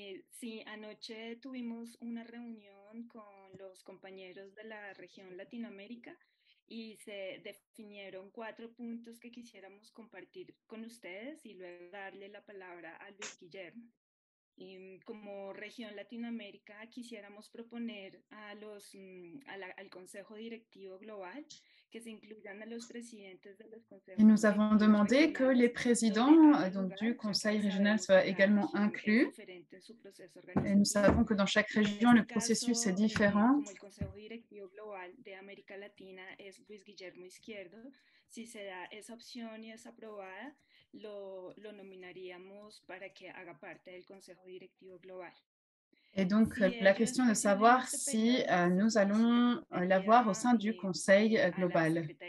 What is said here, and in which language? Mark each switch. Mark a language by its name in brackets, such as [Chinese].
[Spanish] Sí, anoche tuvimos una reunión con los compañeros de la región Latinoamérica y se definieron 4 puntos que quisiéramos compartir con ustedes y luego darle la palabra a Luis Guillermo. Y como región Latinoamérica quisiéramos proponer al Consejo Directivo Global que se incluyan a los presidentes de los consejos. [French] Nous avons demandé que les présidents donc du Conseil régional soient également inclus. Et nous savons que dans chaque région le processus est différent. [Spanish] Como el Consejo Directivo Global de América Latina es Luis Guillermo Izquierdo. Si se da esa opción y es aprobada, lo nominaríamos para que haga parte del Consejo Directivo Global. [French] Et donc la question de savoir si nous allons l'avoir au sein du Conseil Global.